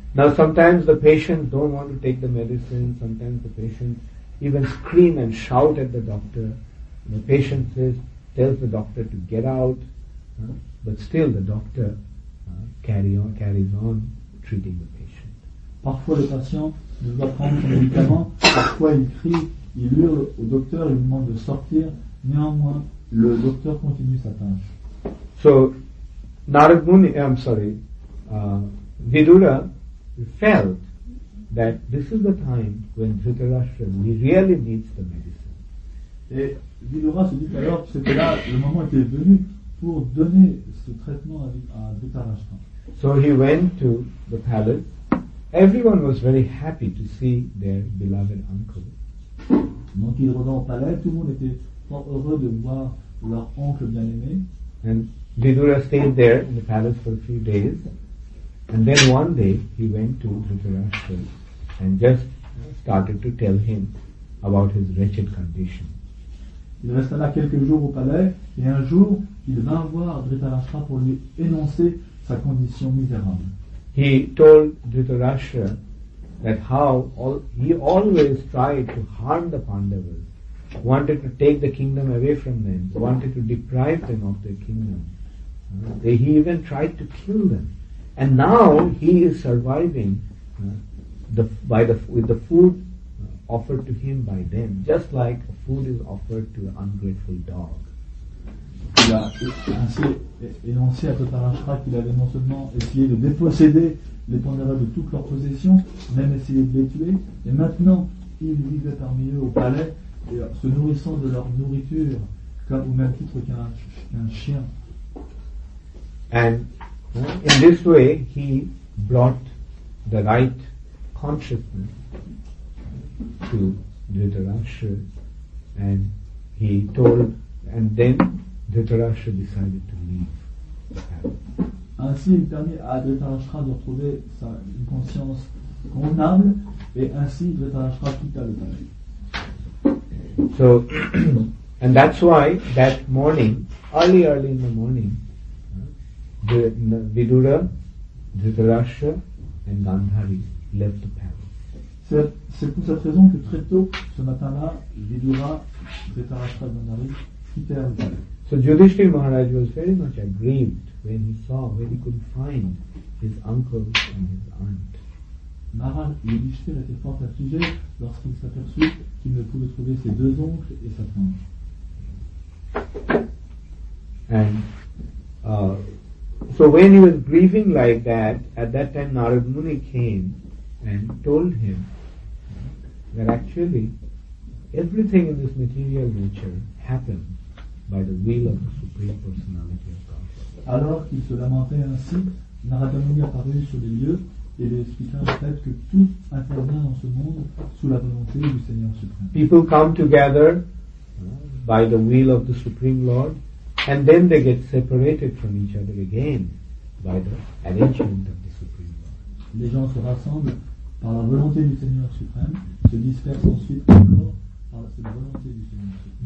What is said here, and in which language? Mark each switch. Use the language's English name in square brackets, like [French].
[English] Now, sometimes the patient don't want to take the medicine. Sometimes the patient even scream and shout at the doctor. The patient says, tells the doctor to get out, but still the doctor carries on treating the patient. [French] Parfois le patient ne veut pas prendre son médicament, parfois il crie, il hurle au docteur, il lui demande de sortir, néanmoins le docteur continue sa tâche. [English] So Vidura felt that this is the time when Dhritarashtra really needs the medicine. [French] Et Vidura se dit alors que c'était là le moment était venu pour donner ce traitement à Dhritarashtra. [English] So he went to the palace. Everyone was very happy to see their beloved uncle. [French] Donc il revint au palais, tout le monde était fort heureux de voir leur oncle bien-aimé. [English] And Vidura stayed there in the palace for a few days. And then one day he went to Dhritarashtra and just started to tell him about his wretched condition. [French] Il resta là quelques jours au palais et un jour il vint voir Dhritarashtra pour lui énoncer sa condition misérable. [English] He told Dhritarashtra that how he always tried to harm the Pandavas, wanted to take the kingdom away from them, wanted to deprive them of their kingdom. He even tried to kill them. And now he is surviving with the food offered to him by them, just like food is offered to an ungrateful dog. [French] Il a ainsi énoncé à Dhritarashtra qu'il avait non seulement essayé de déposséder les Pandavas de toutes leurs possessions, même essayé de les tuer, et maintenant il vivait parmi eux au palais, et se nourrissant de leur nourriture, comme au même titre qu'un chien. [English] And in this way, he brought the right consciousness to Dhritarashtra, and he told, and then Dhritarashtra decided to leave. [French] Ainsi, il permit à Dhritarashtra de retrouver une conscience convenable, et ainsi Dhritarashtra quitta le palais. [English] So, and that's why that morning, early in the morning, Vidura, Dhritarashtra and Gandhari left the palace. [French] C'est pour cette raison que très tôt ce matin-là, Vidura, Dhritarashtra et Gandhari quittèrent le palais. [English] So Yudhishthir Maharaj was very much aggrieved when he saw, when he couldn't find his uncle and his aunt. [French] Maharaj Yudhishthir était fort affligé lorsqu'il s'aperçut qu'il ne pouvait trouver ses deux oncles et sa tante. [English] So when he was grieving like that, at that time Narad Muni came and told him that actually everything in this material nature happens by the will of the Supreme Personality of God. [French] Alors qu'il se lamentait ainsi, Narada Muni apparut sur les lieux et lui expliqua en fait que tout intervient dans ce monde sous la volonté du Seigneur Suprême. [English] People come together by the will of the Supreme Lord. And then they get separated from each other again by the arrangement of the Supreme Lord. [French] Les gens se rassemblent par la volonté du Seigneur suprême, se dispersent ensuite encore par cette volonté du Seigneur suprême.